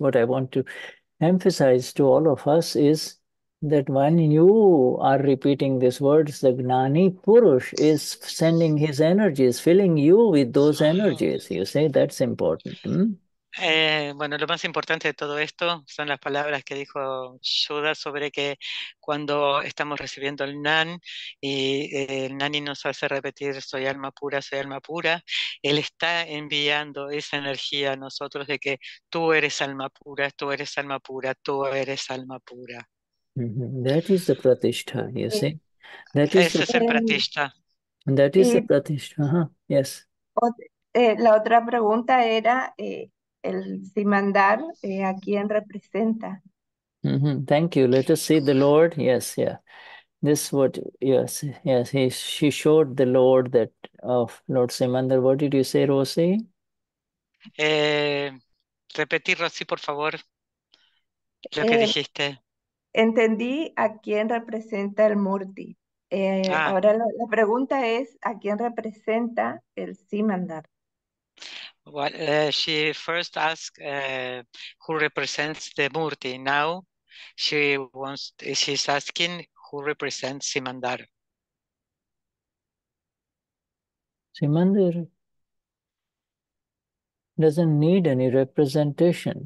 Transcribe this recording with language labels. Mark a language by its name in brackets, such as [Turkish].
[English] What I want to emphasize to all of us is that when you are repeating these words, the Gnani Purush is sending his energies, filling you with those energies. You say that's important. Hmm? [Spanish] Bueno, lo más importante de todo esto son las palabras que dijo Yuda sobre que cuando estamos recibiendo el Nan y el Nani nos hace repetir soy alma pura, él está enviando esa energía a nosotros de que tú eres alma pura, tú eres alma pura, tú eres alma pura. [English] That is the pratishtha, you see. That [Spanish] is ese es el pratishtha. [English] That is the pratishtha, yes. [Spanish] La otra pregunta era... El Simandar, ¿a quién representa? [English] Mm-hmm. Thank you. Let us see the Lord. Yes, yeah. This is what, yes, yes. She showed the Lord that of Lord Simandar. What did you say, Rosy? [Spanish] Repetir, Rosy, por favor, lo que dijiste. Entendí a quién representa el Murti. Ahora la pregunta es, ¿a quién representa el Simandar? [English] Well, she first asked who represents the Murti. Now she's asking who represents Simandar. Simandar doesn't need any representation.